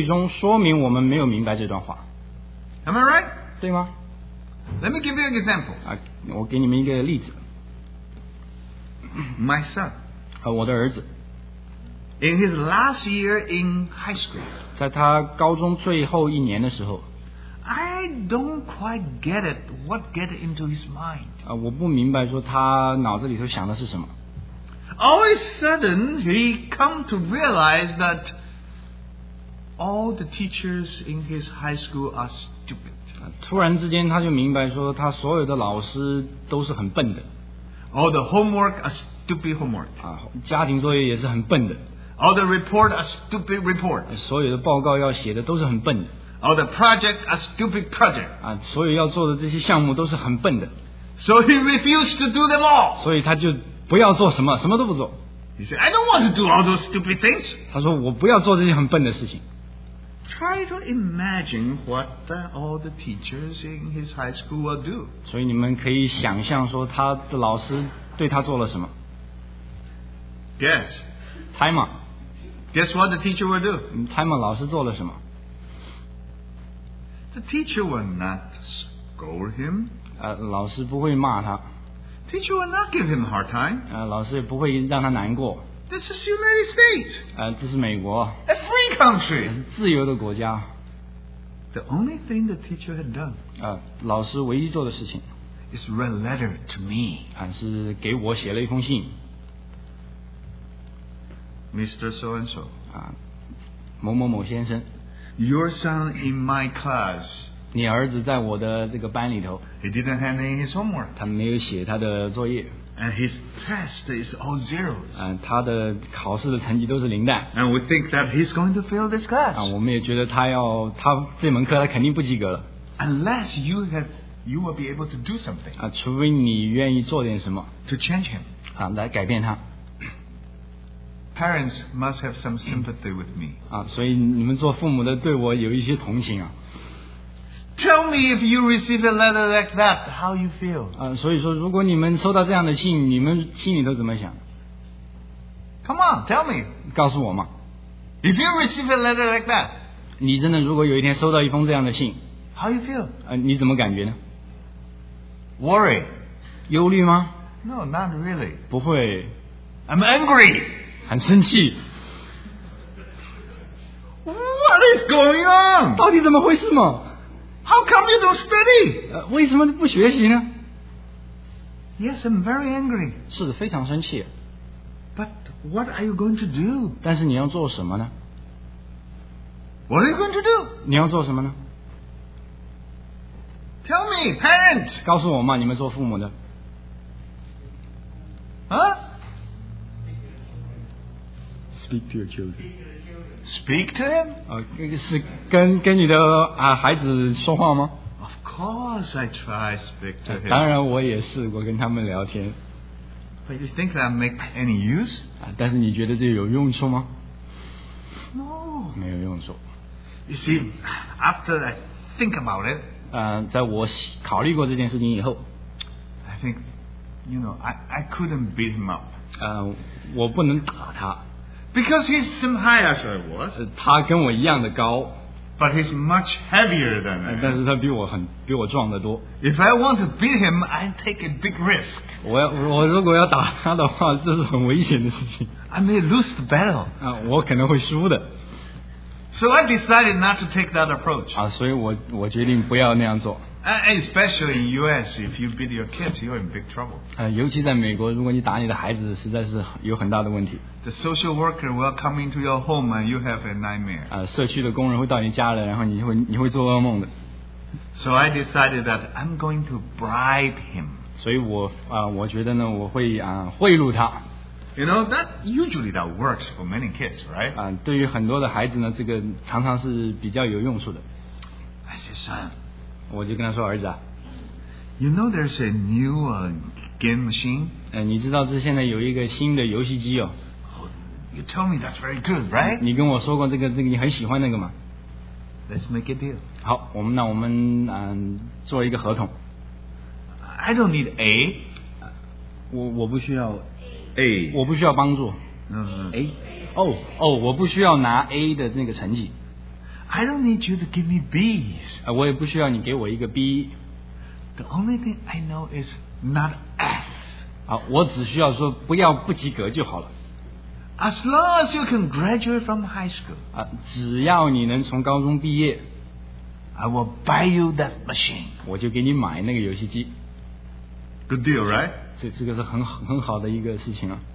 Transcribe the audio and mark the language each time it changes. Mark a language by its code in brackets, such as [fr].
[zh] 就是这个事实，我们还在忧虑中，说明我们没有明白这段话。 [en] Am I right? [zh] 对吗？ [en] Let me give you an example. [zh] 我给你们一个例子。 [en] My son. [zh] 我的儿子。 [en] In his last year in high school. [zh] 在他高中最后一年的时候。 [en] I don't quite get it. What get into his mind? [zh] 我不明白说他脑子里头想的是什么。 [en] All of a sudden, he come to realize that all the teachers in his high school are stupid. [zh] 突然之间他就明白说他所有的老师都是很笨的。 [en] All the homework are stupid homework. [zh] 家庭作业也是很笨的。 [en] All the report a stupid report. [zh] 所有的报告要写的都是很笨的。 [en] All the project a stupid project. [zh] 所有要做的这些项目都是很笨的。 [en] So he refused to do them all. [zh] 所以他就不要做什么，什么都不做。 [en] He said, I don't want to do all those stupid things. [zh] 他说我不要做这些很笨的事情。 [en] Try to imagine what all the teachers in his high school will do. [zh] 所以你们可以想象说他的老师对他做了什么。 [en] Guess. [zh] 猜嘛。 [en] Guess what the teacher will do. [zh] 猜嘛老师做了什么。 [en] The teacher will not scold him. [zh] 老师不会骂他。 [en] Teacher will not give him a hard time. [zh] 老师也不会让他难过。 [en] This is the United States. [zh] 这是美国。 [en] A free country. [zh] 自由的国家。 [en] The only thing the teacher had done. [zh] 老师唯一做的事情。 [en] Is read a letter to me. [zh] 是给我写了一封信。 [en] Mr. So-and-so. [zh] 某某某先生。 [en] Your son in my class. [zh] 你儿子在我的这个班里头。 [en] He didn't hand in his homework. [zh] 他没有写他的作业。 [en] And his test is all zeros. [zh] 他的考试的成绩都是零蛋。 [en] And we think that he's going to fail this class. [zh] 我们也觉得他这门课他肯定不及格了。 [en] Unless you will be able to do something. [zh] 除非你愿意做点什么。 [en] To change him. [zh] 来改变他。 [en] Parents must have some sympathy with me. [zh] 所以你们做父母的对我有一些同情啊。 [en] Tell me if you receive a letter like that, how you feel. [zh] 所以说如果你们收到这样的信，你们心里都怎么想？ [en] Come on, tell me. [zh] 告诉我嘛。 [en] If you receive a letter like that, [zh] 你真的如果有一天收到一封这样的信， [en] how you feel? [zh] 你怎么感觉呢？ [en] Worry. [zh] 忧虑吗？ [en] No, not really. [zh] 不会。 [en] I'm angry. [zh] 很生气。 [en] What is going on? [zh] 到底怎么回事嘛？ [en] How come you don't study? [zh] 为什么不学习呢？ [en] Yes, I'm very angry. [zh] 是的，非常生气。 [en] But what are you going to do? [zh] 但是你要做什么呢？ [en] What are you going to do? [zh] 你要做什么呢？ [en] Tell me, parents. [zh] 告诉我嘛，你们做父母的。 [en] Speak to your children. Speak to him? [zh] 是跟你的孩子说话吗？ [en] Of course I try to speak to him. [zh] 当然我也试过跟他们聊天。 [en] But you think that make any use? [zh] 但是你觉得这有用处吗？ [en] No. [zh] 没有用处。 [en] You see, after I think about it, [zh] 在我考虑过这件事情以后， [en] I think, you know, I couldn't beat him up. [zh] 我不能打他。 [en] Because he's some high as I was. [zh] 他跟我一样的高。 [en] But he's much heavier than I am. [zh] 但是他比我壮得多。 [en] If I want to beat him, I take a big risk. [zh] 我如果要打他的话，这是很危险的事情。 [en] I may lose the battle. [zh] 我可能会输的。 [en] So I decided not to take that approach. [zh] 所以我决定不要那样做。 [en] Especially in US, if you beat your kids, you're in big trouble. [zh] 尤其在美国，如果你打你的孩子，实在是有很大的问题。 [en] The social worker will come into your home and you have a nightmare. [zh] 社区的工人会到你家里，然后你会做噩梦的。 [en] So I decided that I'm going to bribe him. [zh] 所以我觉得呢，我会贿赂他。 [en] You know that usually that works for many kids, right? [zh] 对于很多的孩子呢，这个常常是比较有用处的。 [en] I said, son. [zh] 我就跟他说儿子啊 [en] You know there's a new game machine? [zh] 你知道这现在有一个新的游戏机哦 [en] You tell me that's very good, right? [zh] 你跟我说过这个你很喜欢那个吗 [en] Let's make a deal [zh] 好我们做一个合同 [en] I don't need A [zh] 我不需要 [en] A [zh] 我不需要帮助 [en] A [zh] 我不需要拿 A 的那个成绩 [en] I don't need you to give me B's. [zh] 我也不需要你给我一个 B. [en] The only thing I know is not F. [zh] 我只需要说不要不及格就好了。 [en] As long as you can graduate from high school. [zh] 只要你能从高中毕业。 [en] I will buy you that machine. [zh] 我就给你买那个游戏机。 [en] Good deal, right? [zh] 这个是很好的一个事情啊。